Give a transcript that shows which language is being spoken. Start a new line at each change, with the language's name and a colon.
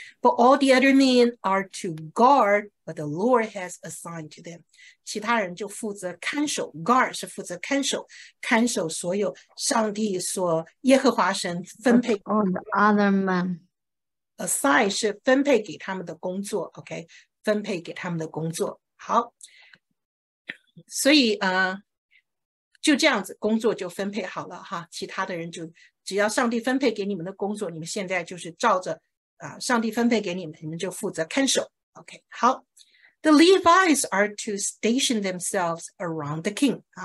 English: But all the other men are to guard what the Lord has assigned to them.
Chinese: 其他人就负责看守 ，guard 是负责看守，看守所有上帝所耶和华神分配
English: On the other man.
Chinese: assign 是分配给他们的工作，OK，分配给他们的工作。好，所以就这样子工作就分配好了哈。其他的人就只要上帝分配给你们的工作，你们现在就是照着上帝分配给你们，你们就负责看守，OK，好。
English: The Levites are to station themselves around the king.